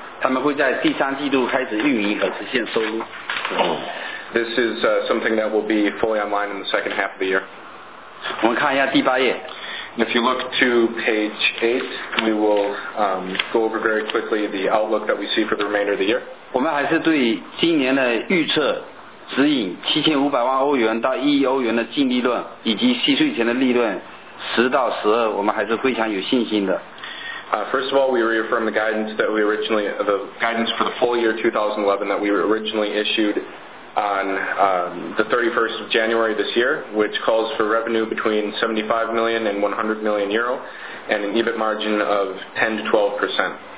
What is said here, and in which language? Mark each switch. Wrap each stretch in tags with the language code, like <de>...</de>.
<en>This is something that will be fully online in the second half of the year.</en> <zh>我们看一下第八页。</zh> <en>If you look to page 8, we will go over very quickly the outlook that we see for the remainder of the year.</en> <zh>我们还是对今年的预测指引 7500万欧元到1亿欧元的净利润 以及息税前的利润 10到12 我们还是非常有信心的。</zh> <en>First of all, we reaffirm the guidance that we originally the guidance for the full year 2011 that we originally issued on the 31st of January this year, which calls for revenue between 75 million and 100 million euro and an EBIT margin of 10 to 12%.</en>